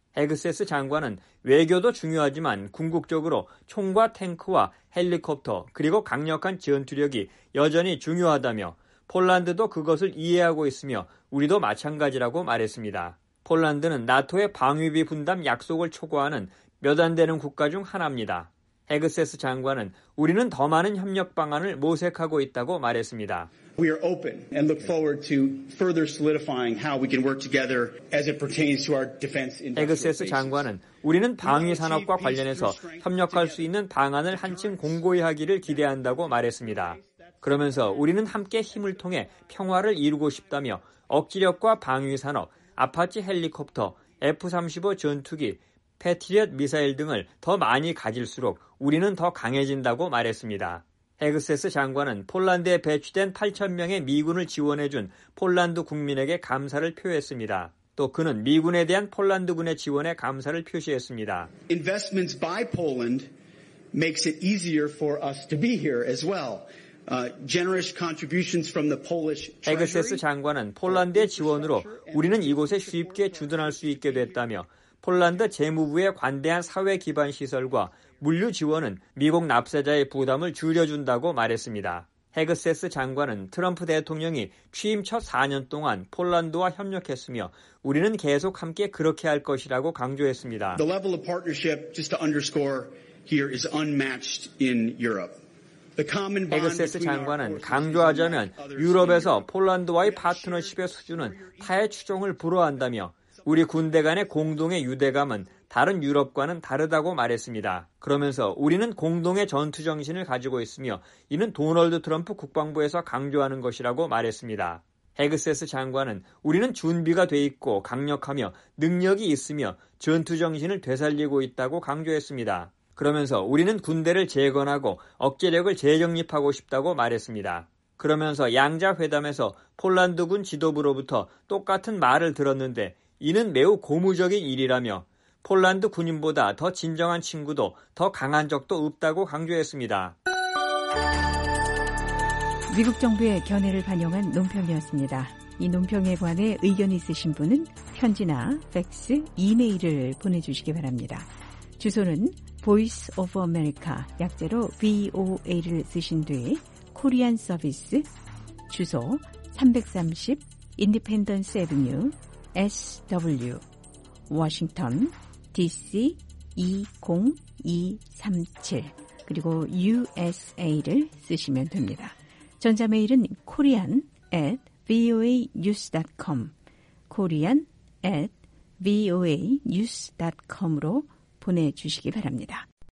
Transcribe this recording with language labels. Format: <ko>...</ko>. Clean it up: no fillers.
<ko>헤그세스 장관은 외교도 중요하지만 궁극적으로 총과 탱크와 헬리콥터 그리고 강력한 전투력이 여전히 중요하다며 폴란드도 그것을 이해하고 있으며 우리도 마찬가지라고 말했습니다. 폴란드는 나토의 방위비 분담 약속을 초과하는 몇 안 되는 국가 중 하나입니다. 헤그세스 장관은 우리는 더 많은 협력 방안을 모색하고 있다고 말했습니다.</ko> <en>We are open and look forward to further solidifying how we can work together as it pertains to our defense industry.</en> <ko>헤그세스 장관은 우리는 방위 산업과 관련해서 협력할 수 있는 방안을 한층 공고히 하기를 기대한다고 말했습니다. 그러면서 우리는 함께 힘을 통해 평화를 이루고 싶다며 억지력과 방위 산업, 아파치 헬리콥터, F-35 전투기, 패트리엇 미사일 등을 더 많이 가질수록 우리는 더 강해진다고 말했습니다. 헤그세스 장관은 폴란드에 배치된 8,000명의 미군을 지원해준 폴란드 국민에게 감사를 표했습니다. 또 그는 미군에 대한 폴란드군의 지원에 감사를 표시했습니다.</ko> <en>Investments by Poland makes it easier for us to be here as well. Generous contributions from the Polish Treasury.</en> <ko>헤그세스 장관은 폴란드의 지원으로 우리는 이곳에 쉽게 주둔할 수 있게 됐다며 폴란드 재무부의 관대한 사회 기반 시설과 물류 지원은 미국 납세자의 부담을 줄여준다고 말했습니다. 헤그세스 장관은 트럼프 대통령이 취임 첫 4년 동안 폴란드와 협력했으며 우리는 계속 함께 그렇게 할 것이라고 강조했습니다.</ko> <en>The level of partnership, just to underscore here, is unmatched in Europe.</en> <ko>헤그세스 장관은 강조하자면 유럽에서 폴란드와의 파트너십의 수준은 타의 추종을 불허한다며 우리 군대 간의 공동의 유대감은 다른 유럽과는 다르다고 말했습니다. 그러면서 우리는 공동의 전투 정신을 가지고 있으며 이는 도널드 트럼프 국방부에서 강조하는 것이라고 말했습니다. 헤그세스 장관은 우리는 준비가 돼 있고 강력하며 능력이 있으며 전투 정신을 되살리고 있다고 강조했습니다. 그러면서 우리는 군대를 재건하고 억제력을 재정립하고 싶다고 말했습니다. 그러면서 양자회담에서 폴란드군 지도부로부터 똑같은 말을 들었는데 이는 매우 고무적인 일이라며 폴란드 군인보다 더 진정한 친구도 더 강한 적도 없다고 강조했습니다. 미국 정부의 견해를 반영한 논평이었습니다. 이 논평에 관해 의견이 있으신 분은 편지나 팩스, 이메일을 보내주시기 바랍니다. 주소는 Voice of America, 약자로 VOA를 쓰신 뒤 Korean Service, 주소 330 Independence Avenue, SW, Washington, DC 20237, 그리고 USA를 쓰시면 됩니다. 전자메일은 korean@voanews.com, korean@voanews.com으로 보내주시기 바랍니다.</ko>